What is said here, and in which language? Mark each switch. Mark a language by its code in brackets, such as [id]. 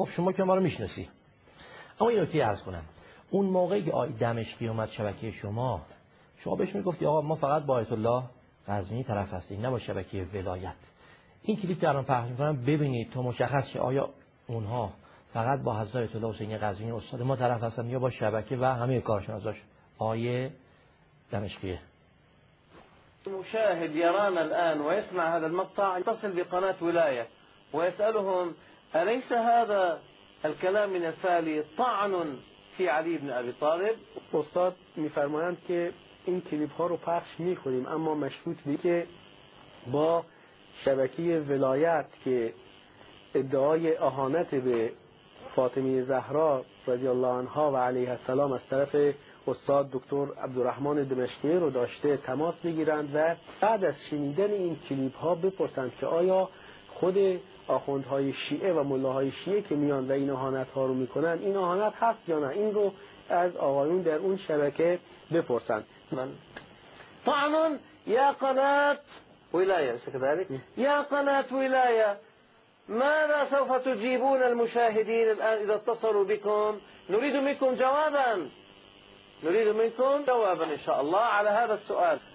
[fa] خب شما که ما رو میشناسی، اما اینو کی عرض کنم، اون موقعی که آقای دمشقی اومد شبکه شما، شما بهش میگفتی آقا ما فقط با آیت الله قزوینی طرف هستیم، نه با شبکه ولایت. این کلیپ که الان پخش میکنم ببینید تا مشخص شه آیا اونها فقط با حضرت آیت الله حسینی قزوینی استاد ما طرف هستن یا با شبکه و همه کارشناساش. آیه دمشقیه. [ar] مشاهد يرانا الان ويسمع هذا المقطع يتصل بقناه ولايه ويسالهم اليس هذا الكلام من الفالي طعن في علي بن ابي طالب. [fa] استاد میفرمایند که این کلیپ ها رو پخش می کنیم اما مشروط به که با شبکه ولایت که ادعای اهانت به فاطمه زهرا رضی الله عنها و علیه السلام از طرف استاد دکتر عبدالرحمن دمشقی رو داشته تماس می گیرند و بعد از شنیدن این کلیپ ها بپرسند که آیا خود آخوندهای شیعه و ملاهای شیعه که میان و این اهانت ها رو می کنند این اهانت هست یا نه، این رو از آقایون در اون شبکه بپرسند. [ar] طعن يا قناة ولاية كذلك يا قناة ولاية ماذا سوف تجيبون المشاهدين الآن إذا اتصلوا بكم؟ نريد منكم جوابا، نريد منكم جوابا إن شاء الله على هذا السؤال.